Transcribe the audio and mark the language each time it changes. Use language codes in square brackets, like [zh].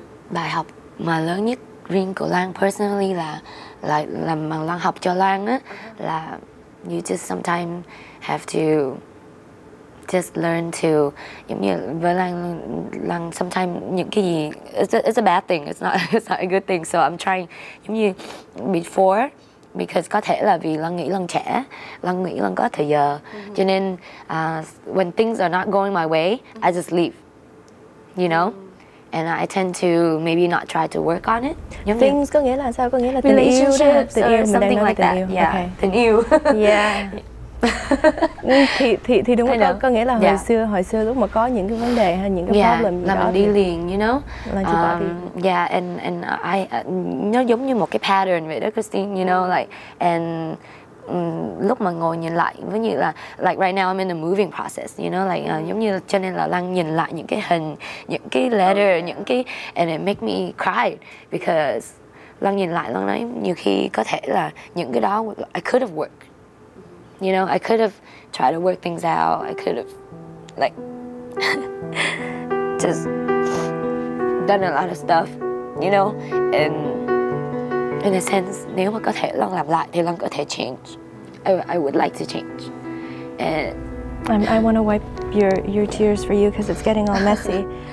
[vi] bài học mà lớn nhất riêng của Loan [en] personally [vi] là mà Loan học cho Loan á, là [en] you just sometimes have to just learn to, [vi] giống như với Loan [en] sometimes [vi] những cái gì [en] it's a bad thing, it's not a good thing, so I'm trying, [vi] giống như [en] before, because [vi] có thể là vì Loan nghĩ Loan trẻ, Loan nghĩ Loan có thời giờ, cho nên [en] when things are not going my way, I just leave, you know. And I tend to maybe not try to work on it. Things [vi] có nghĩa là sao? Có nghĩa là tình yêu. [en] Yeah. [vi] thì đúng không? Có nghĩa là hồi xưa, hồi xưa lúc mà có những cái vấn đề hay những cái problem gì đó. Là mình đi liền, [en] you know? [vi] Nó giống như một cái pattern vậy đó, Kristine, [en] you know? [vi] Lúc mà ngồi nhìn lại với như là [en] like right now I'm in the moving process, you know, like [vi] giống như cho nên là Lan nhìn lại những cái hình, những cái letter, những cái, [en] and it make me cry because [vi] Lan nhìn lại Lan nói nhiều khi có thể là những cái đó [en] I could have worked, you know, I could have tried to work things out, I could have like just done a lot of stuff, you know, in a sense, [vi] nếu mà có thể Lan làm lại thì Lan có thể change. [en] I would like to change. I want to wipe your tears for you because it's getting all messy.